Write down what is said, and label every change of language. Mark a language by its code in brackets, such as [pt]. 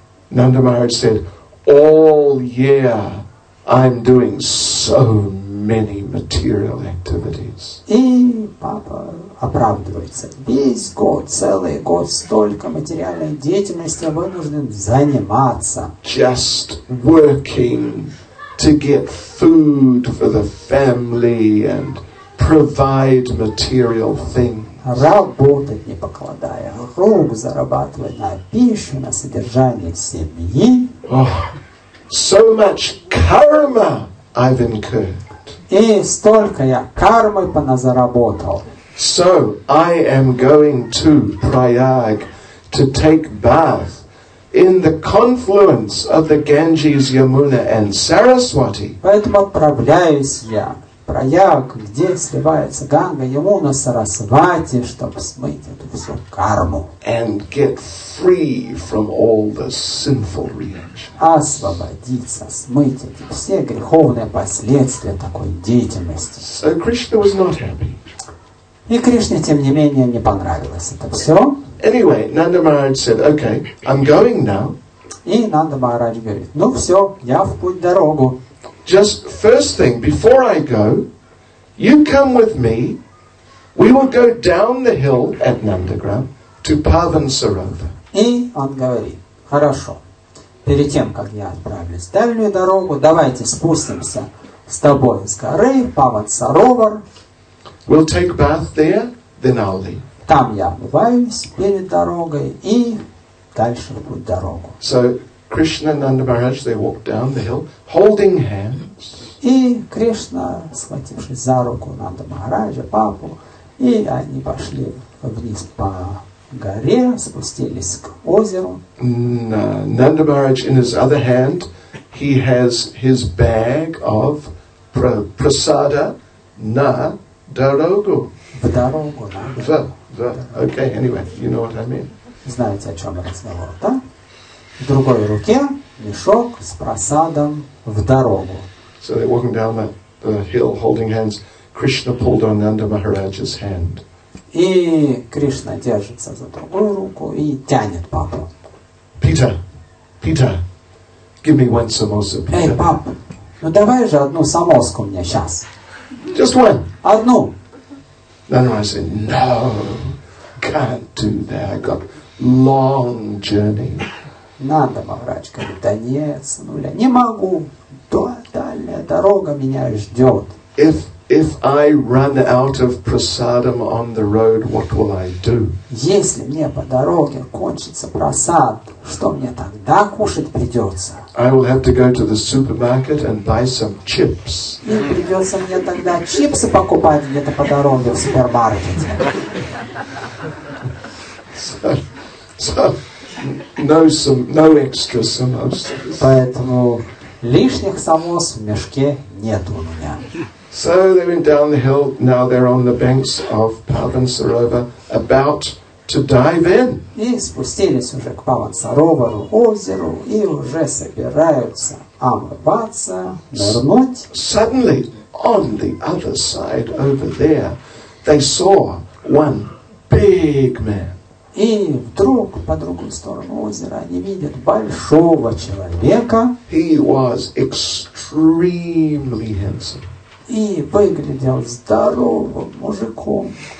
[en] Nanda Maharaj said, all year I'm doing so many material activities. [ru] И папа оправдывается. Весь год, целый год, столько материальной деятельности вынужден заниматься. [en] Just working to get food for the family and provide material things. [ru] Работать, не покладая рук, зарабатывать на пищу, на содержание семьи. [en] Oh, so much karma I've incurred. [ru] И столько я кармы поназаработал. [en] So I am going to Prayag to take bath in the confluence of the Ganges, Yamuna and Saraswati. [ru] Поэтому отправляюсь я. Прояк, где сливается Ганга, ему на Сарасвати, чтобы смыть эту всю карму. [en] And get free from all the sinful reactions. [ru] Освободиться, смыть эти все греховные последствия такой деятельности. [en] So Krishna was not happy. [ru] И Кришне, тем не менее, не понравилось это все. [en] Anyway, Nanda Maharaj said, okay, I'm going now. [ru] И Нанда Махарадж говорит, ну все, я в путь дорогу. [en] Just first thing, before I go, you come with me. We will go down the hill at Nandagram to Pavan Sarovar. [ru] И он говорит, хорошо. Перед тем, как я отправлюсь в дальнюю дорогу, давайте спустимся с тобой с горы Pavan Sarovar. [en] We'll take bath there, then I'll leave. [ru] Там я умываюсь перед дорогой и дальше в путь дорогу. [en] So, Krishna and Nanda Maharaj, they walk down the hill, holding hands. [ru] И Кришна, схватившись за руку Нанда Махараджа, папу, и они пошли вниз по горе, спустились к озеру. [en] Nanda Maharaj, in his other hand, he has his bag of prasada [ru] na дорогу. В дорогу, да. [en] Okay, anyway, you know what I mean. [ru] Знаете, о чем разговор, да? В другой руке мешок с просадом в дорогу. [en] So they're walking down the hill holding hands. Krishna pulled on Nanda Maharaj's hand. [ru] И Кришна держится за другую руку и тянет папу. [en] Peter, Peter, give me one samosa, Peter. [ru] Эй, пап, ну давай же одну самоску мне сейчас. [en] Just one. [ru] Одну. [en] Nanda Maharaj said, no, can't do that. I got long journey. [ru] Нанда Махарадж говорит, да нет, сынуля, не могу. Дальняя дорога меня ждет. [en] If I run out of prasadam on the road, what will I do? [ru] Если мне по дороге кончится просад, что мне тогда кушать придется? [en] I will have to go to the supermarket and buy some chips. [ru] И придется мне тогда чипсы покупать где-то по дороге в супермаркете. [en] No extra samosas. [ru] Поэтому лишних самос в мешке нет у меня. [en] So they went down the hill. Now they're on the banks of Pavan Sarovar, about to dive in. [ru] И спустились уже к Pavan Sarovar, озеру, и уже собираются омываться, нырнуть. [en] Suddenly, on the other side, over there, they saw one big man. [ru] И вдруг по другую сторону озера они видят большого человека. [en] He was extremely handsome. [ru] И выглядел здоровым мужиком.